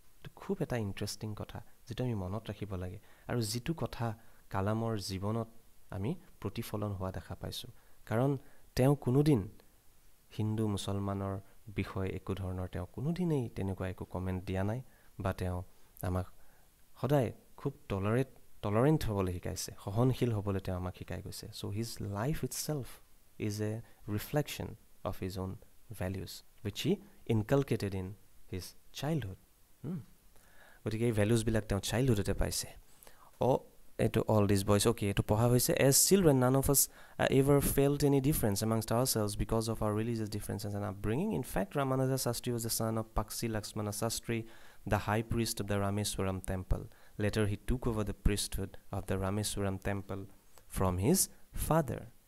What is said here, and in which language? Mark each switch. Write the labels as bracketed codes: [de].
[as] এইটো খুব এটা ইণ্টাৰেষ্টিং কথা যিটো আমি মনত ৰাখিব লাগে, আৰু যিটো কথা কালামৰ জীৱনত আমি প্ৰতিফলন হোৱা দেখা পাইছোঁ। কাৰণ তেওঁ কোনোদিন হিন্দু মুছলমানৰ বিষয়ে একো ধৰণৰ তেওঁ কোনোদিনেই তেনেকুৱা একো কমেণ্ট দিয়া নাই, বা তেওঁ আমাক সদায় খুব টলৰেণ্ট হ'বলৈ শিকাইছে, সহনশীল হ'বলৈ তেওঁ আমাক শিকাই গৈছে। [en] So' his life it self is a reflection of his on values wish he ইনকালকেটেড in his childhood. [as] গতিকে এই ভেলিউজবিলাক তেওঁ চাইল্ডহুডতে পাইছে। এইটো [en] all these boys, [as] অ'কে, এইটো পঢ়া হৈছে। [en] As children none of us ever felt any difference amongst ourselves because of our religious differences and upbringing. In fact, Ramanatha Shastri was the son of Pakshi Lakshmana Shastri, the high priest of the Rameswaram temple. Later he took over the priesthood of the Rameswaram temple from his father.